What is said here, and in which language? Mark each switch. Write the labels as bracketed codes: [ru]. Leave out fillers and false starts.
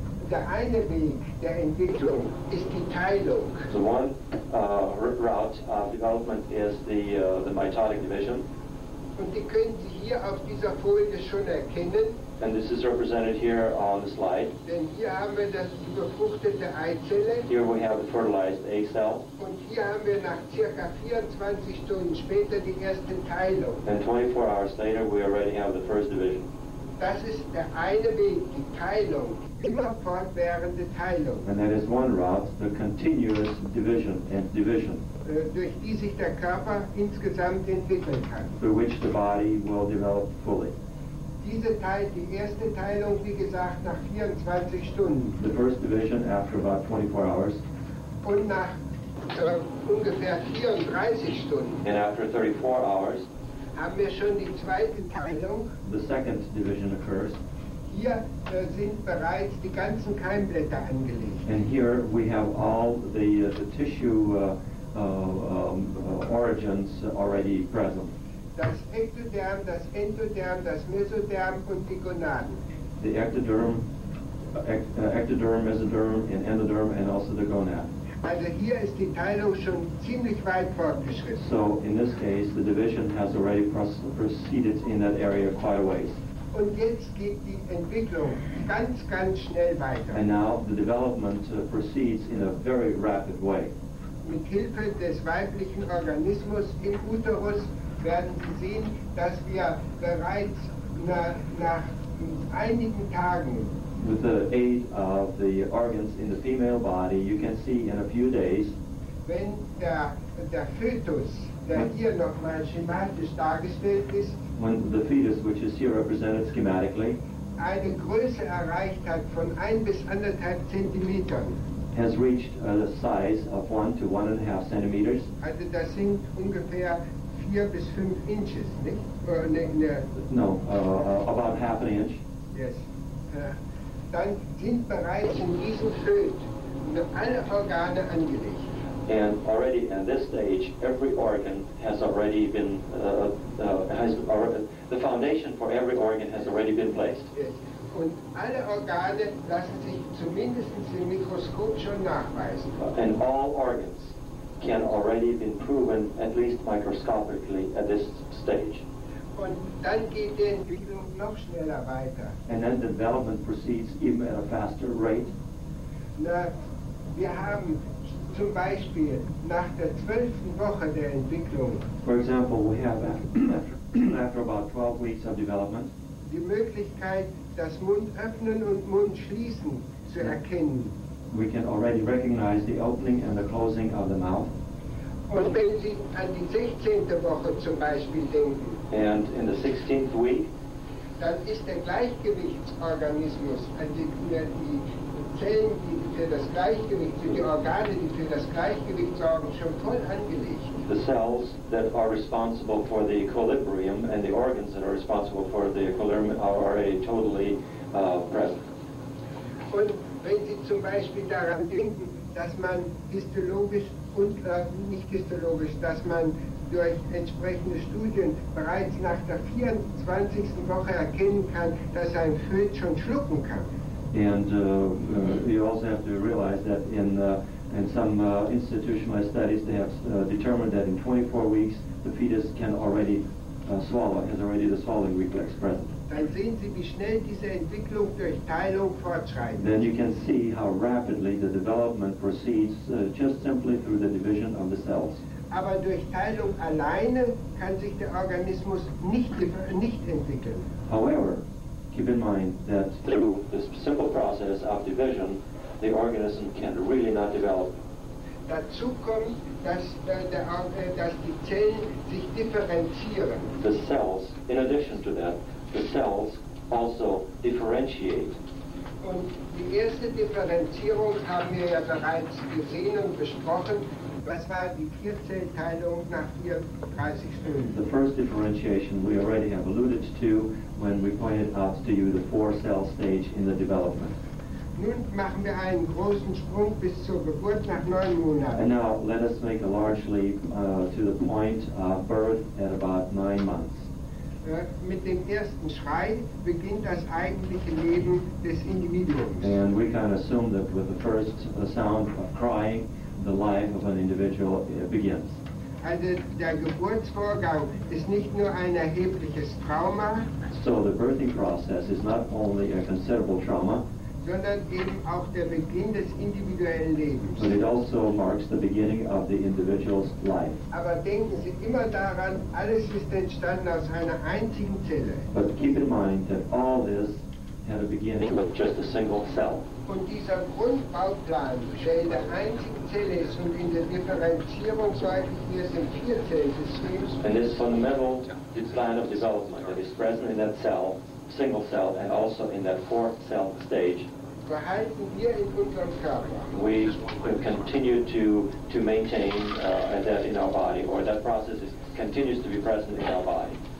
[de] Der eine Weg der Entwicklung ist die Teilung. [en] The one route of development is the mitotic division. [de] Und die können Sie hier auf dieser Folie schon erkennen. [en] And this is represented here on the slide. [de] Denn hier haben wir das befruchtete Eizelle. [en] Here we have the fertilized egg cell. [de] Und hier haben wir nach ca. 24 Stunden später die erste Teilung. [en] And 24 hours later we already have the first division. [de] Das ist der eine Weg, die Teilung. Immer fortwährende Teilung. [en] And that is one route, the continuous division and division, [de] durch die sich der Körper insgesamt entwickeln kann. [en] Through which the body will develop fully. [de] Die erste Teilung, wie gesagt, nach 24 Stunden. [en] The first division after about 24 hours. [de] Und nach ungefähr 34 Stunden. [en] And after 34 hours. [de] Haben wir schon die zweite Teilung. [en] The second division occurs. [de] Hier sind bereits die ganzen Keimblätter angelegt. [en] And here we have all the tissue origins already present. [de] Das Ectoderm, das Endoderm, das Mesoderm und die Gonaden. [en] The ectoderm, ectoderm, mesoderm, and endoderm, and also the gonad. [de] Also hier ist die Teilung schon ziemlich weit fortgeschritten. [en] So in this case, the division has already proceeded in that area quite a ways. [de] Und jetzt geht die Entwicklung ganz, ganz schnell weiter. [en] And now the development proceeds in a very rapid way. [de] Mit Hilfe des weiblichen Organismus im Uterus werden Sie sehen, dass wir bereits nach einigen Tagen. [en] With the aid of the organs in the female body, you can see in a few days. [de] Wenn der Fötus, der hier nochmal schematisch dargestellt ist. [en] When the fetus, which is here represented schematically. [de] Eine Größe erreicht hat von 1 bis 1.5 Zentimetern. [en] Has reached the size of 1 to 1.5 centimeters. [de] Also das sind ungefähr 4 bis 5 inches, nicht? [en] About half an inch. Yes. [de] Dann sind bereits in diesem Föt alle Organe angelegt. [en] And already at this stage, every organ has already been, the foundation for every organ has already been placed. Yes. [de] Und alle Organe lassen sich zumindest im Mikroskop schon nachweisen. [en] And all organs can already be proven, at least microscopically, at this stage. [de] Und dann geht die Entwicklung noch schneller weiter. [en] And then development proceeds even at a faster rate. [de] Na, wir haben zum Beispiel nach der 12. Woche der Entwicklung. [en] For example, we have after about 12 weeks of development. [de] Die Möglichkeit, das Mund öffnen und Mund schließen zu erkennen. [en] We can already recognize the opening and the closing of the mouth. [de] Und wenn Sie an die 16. Woche zum Beispiel denken. [en] And in the 16th week, [de] dann ist der Gleichgewichtsorganismus, die Zellen, die für das Gleichgewicht, die Organe, die für das Gleichgewicht sorgen, schon voll angelegt. [en] The cells that are responsible for the equilibrium and the organs that are responsible for the equilibrium are already totally present. [de] Und wenn Sie zum Beispiel daran denken, dass man histologisch und nicht histologisch, dass man durch entsprechende Studien bereits nach der 24. Woche erkennen kann, dass ein Föt schon schlucken kann. [en] And you also have to realize that in some institutionalized studies, they have determined that in 24 weeks, the fetus can already swallow, has already the swallowing reflex present. [de] Dann sehen Sie, wie schnell diese Entwicklung durch Teilung fortschreitet. [en] Then you can see how rapidly the development proceeds just simply through the division of the cells. [de] Aber durch Teilung alleine kann sich der Organismus nicht entwickeln. [en] However, keep in mind that through this simple process of division, the organism can really not develop. [de] Dazu kommt, dass die Zellen sich differenzieren. [en] The cells, in addition to that, the cells also differentiate. [de] Und die erste Differenzierung haben wir ja bereits gesehen und besprochen. Was war die Vierzellteilung nach 34 Stunden? [en] The first differentiation we already have alluded to when we pointed out to you the 4-cell stage in the development. [de] Nun machen wir einen großen Sprung bis zur Geburt nach 9 Monaten. [en] And now let us make a large leap to the point of birth at about 9 months. [de] Mit dem ersten Schrei beginnt das eigentliche Leben des Individuums. [en] And we can assume that with the first sound of crying, the life of an individual begins. [de] Also, der Geburtsvorgang ist nicht nur ein erhebliches Trauma. [en] So the birthing process is not only a considerable trauma, [de] sondern eben auch der Beginn des individuellen Lebens. [en] But it also marks the beginning of the individual's life. [de] Aber denken Sie immer daran, alles ist entstanden aus einer einzigen Zelle. [en] But keep in mind that all this had a beginning with just a single cell. [de] Und dieser Grundbauplan, der in der einzigen Zelle ist und in der Differenzierung, so eigentlich hier ist, im Vierzellsystems. [en] And this fundamental design of development that is present in that cell, single cell, and also in that 4-cell stage. [de] Behalten wir in unserem Körper. [en] We continue to maintain that in our body, or that process continues to be present in our body.